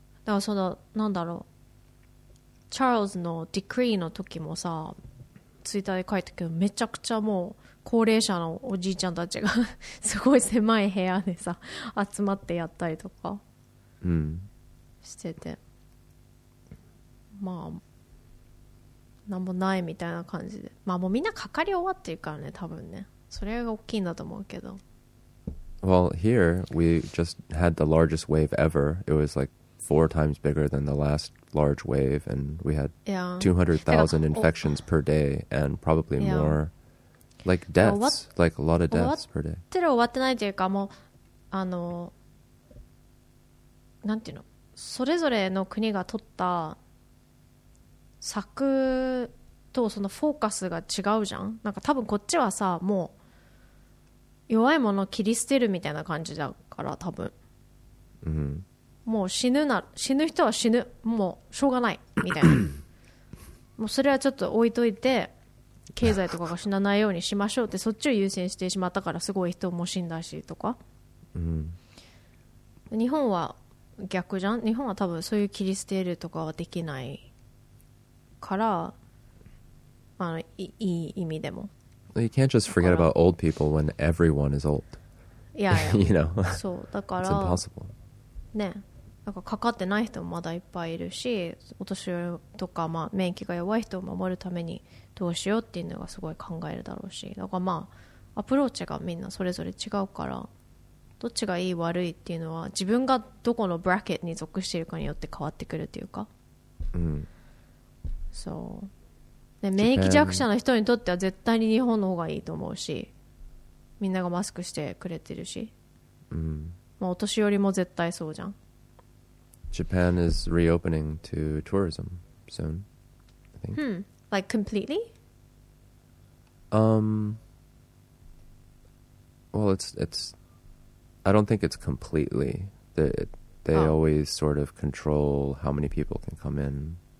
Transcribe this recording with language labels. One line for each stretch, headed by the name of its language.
Japanese: だからそのなんだろう、チャールズのディクリーの時もさ、ツイッターで書いたけど、めちゃくちゃもう高齢者のおじいちゃんたちがすごい狭い部屋でさ集まってやったりとかしてて、まあなんもないみたいな感じで、まあもうみんなかかり終わってるからね、多分ね、それが大きいんだと思うけど。
English: Well, here, we just had the largest wave ever. It was like 4 times bigger than the last large wave. And we had 200,000 infections per day and probably more like deaths, like a lot of deaths per day.
Japanese: 終わってないというか、もう、あの、なんていうの、それぞれの国が取った策とそのフォーカスが違うじゃん。なんか多分こっちはさ、もう、弱いものを切り捨てるみたいな感じだから、多分、もう死ぬ人は死ぬ、もうしょうがないみたいな、もうそれはちょっと置いといて経済とかが死なないようにしましょうって、そっちを優先してしまったから、すごい人も死んだしとか、日本は逆じゃん。日本は多分そういう切り捨てるとかはできないから、あの いい意味でも。
English: You can't just forget about old people when everyone is old. Yeah, you know. So, it's impossible.
Japanese: ね、なんかかかってない人もまだいっぱいいるし、お年寄りとか、まあ、免疫が弱い人を守るためにどうしようっていうのがすごい考えるだろうし、だからまあアプローチがみんなそれぞれ違うから、どっちがいい悪いっていうのは自分がどこのブラケットに属しているかによって変わってくるっていうか、うん、そうで免疫弱者の人にとっては絶対に日本の方がいいと思うし、みんながマスクしてくれてるし、うん、まあ、お年寄りも絶対そうじゃん。
English: Japan is reopening to tourism soon, I think. Hmm, like completely? Well, it's I don't think it's completely. They oh. always sort of control how many people can come in.